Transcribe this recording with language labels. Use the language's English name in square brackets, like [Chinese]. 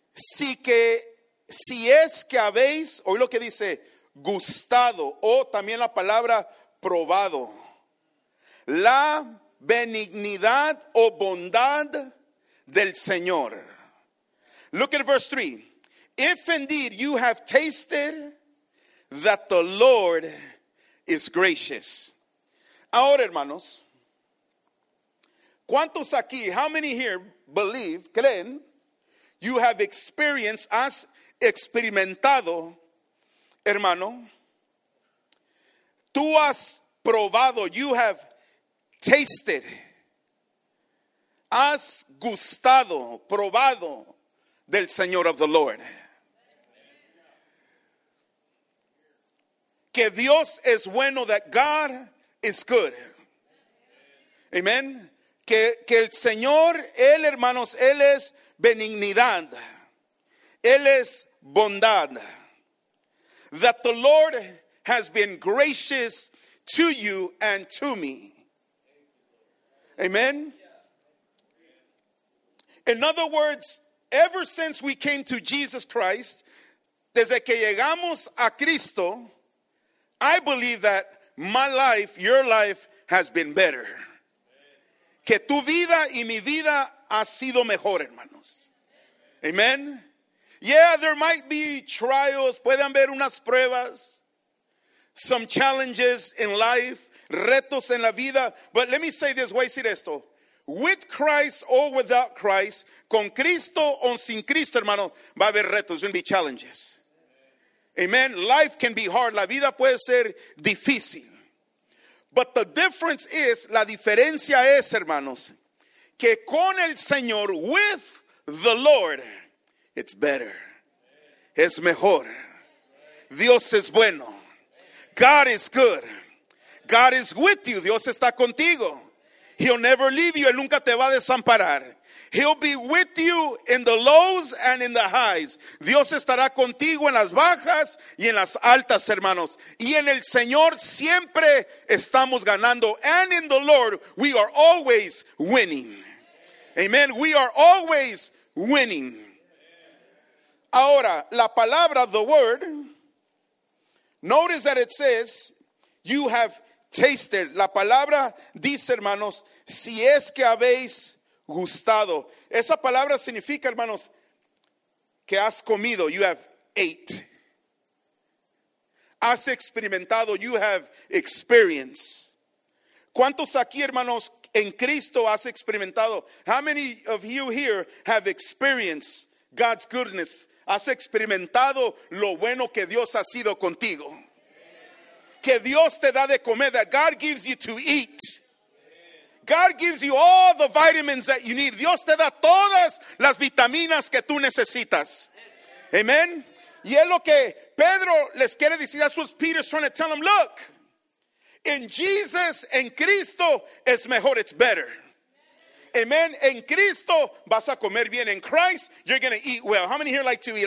[Spanish] Si es que habéis, oí lo que dice, gustado, o también la palabra probado, la benignidad o bondad del Señor. [English] Look at verse 3. If indeed you have tasted that the Lord is gracious. [Spanish] Ahora, hermanos, ¿cuántos aquí, [English] how many here believe, [Spanish] creen, [English] you have experienced, [Spanish] has experimentado, hermano, tú has probado, [English] you have tasted, [Spanish] has gustado, probado del Señor, [English] of the Lord. [Spanish] Que Dios es bueno, [English] that God is good. Amen. [Spanish] Que el Señor, Él, hermanos, Él es benignidad. Él es bondad. [English] That the Lord has been gracious to you and to me. Amen. In other words, ever since we came to Jesus Christ, [Spanish] desde que llegamos a Cristo, [English] I believe that my life, your life, has been better. [Spanish] Que tu vida y mi vida ha sido mejor, hermanos. [English] Amen. Yeah, there might be trials. [Spanish] Pueden haber unas pruebas. [English] Some challenges in life. [Spanish] Retos en la vida. [English] But let me say this. [Spanish] Voy a decir esto. [English] With Christ or without Christ. [Spanish] Con Cristo o sin Cristo, hermano. Va a haber retos. [English] There will be challenges. Amen. Life can be hard. [Spanish] La vida puede ser difícil. [English] But the difference is, [Spanish] la diferencia es, hermanos, que con el Señor, [English] with the Lord, it's better. [Spanish] Es mejor. Dios es bueno. [English] God is good. God is with you. [Spanish] Dios está contigo. [English] He'll never leave you. [Spanish] Él nunca te va a desamparar. [English] He'll be with you in the lows and in the highs. [Spanish] Dios estará contigo en las bajas y en las altas, hermanos. Y en el Señor siempre estamos ganando. [English] And in the Lord, we are always winning. Amen. We are always winning. [Spanish] Ahora, la palabra, [English] the word. Notice that it says, you have tasted. [Spanish] La palabra dice, hermanos, si es que habéis gustado. Esa palabra significa, hermanos, que has comido. [English] You have ate. [Spanish] Has experimentado. [English] You have experienced. [Spanish] ¿Cuántos aquí, hermanos, en Cristo has experimentado? [English] How many of you here have experienced God's goodness? [Spanish] Has experimentado lo bueno que Dios ha sido contigo. Que Dios te da de comer. [English] That God gives you to eat. God gives you all the vitamins that you need. [Spanish] Dios te da todas las vitaminas que tú necesitas. Amen. Y es lo que Pedro les quiere decir. [English] That's what Peter's trying to tell them. Look, in Jesus, [Spanish] en Cristo, es mejor. [English] It's better. Amen. [Spanish] En Cristo, vas a comer bien. [English] In Christ, you're going to eat well. How many here like to eat?